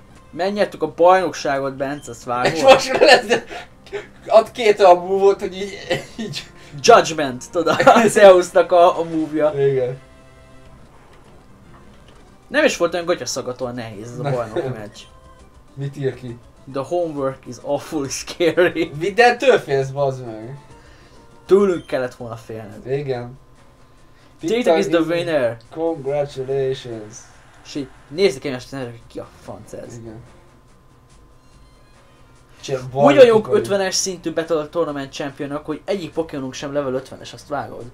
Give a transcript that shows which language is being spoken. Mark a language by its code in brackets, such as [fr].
[hu] Megnyertük a bajnokságot, Bence, azt vágod. És most lesz, ad két olyan move-ot, hogy így... Judgment, tudod, a Zeusnak a move-ja. Igen. Nem is volt olyan gatyaszagatóan nehéz ez a bajnok meccs. Mit ír ki? [en] The homework is awfully scary. [hu] Mindentől félsz, bazd meg? Tőlünk kellett volna félned. Igen. [en] TikTok is the winner! Congratulations! [hu] És így nézzük én este, hogy ki a fanc ez. Igen. Úgy vagyunk 50-es szintű Battle Tournament Championok, hogy egyik Pokémonunk sem level 50-es, azt vágod?